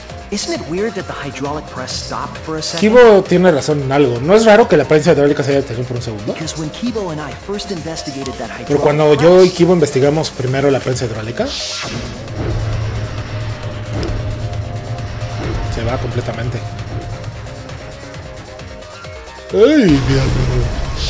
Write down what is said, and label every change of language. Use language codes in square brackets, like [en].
[en] Isn't it weird that the hydraulic press stopped for a second? [es] Kibo tiene razón en algo. No es raro que la prensa hidráulica se haya detenido por un segundo. [en] Because when Kibo and I first investigated that hydraulic press. [es] Pero cuando yo y Kibo investigamos primero la prensa hidráulica. Se va completamente. ¡Ay, Dios mío!